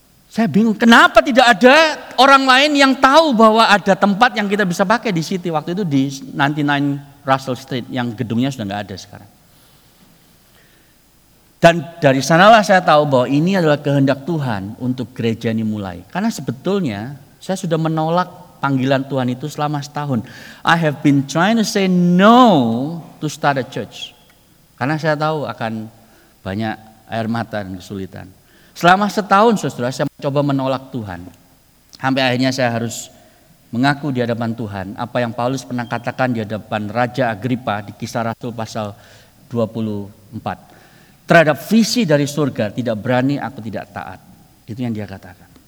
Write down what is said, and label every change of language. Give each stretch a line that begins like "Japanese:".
Indonesian: Saya bingung, kenapa tidak ada orang lain yang tahu bahwa ada tempat yang kita bisa pakai di situ. Waktu itu di 99 Russell Street yang gedungnya sudah enggak ada sekarang. Dan dari sanalah saya tahu bahwa ini adalah kehendak Tuhan untuk gereja ini mulai. Karena sebetulnya saya sudah menolak panggilan Tuhan itu selama setahun.
English: I have been trying to say no to start a church.
Indonesian: Karena saya tahu akan banyak air mata dan kesulitan. Selama setahun, saudara, saya mencoba menolak Tuhan. Sampai akhirnya saya harus mengaku di hadapan Tuhan apa yang Paulus pernah katakan di hadapan Raja Agripa di Kisah Rasul pasal 24. Terhadap visi dari surga, tidak berani aku tidak taat. Itu yang dia katakan.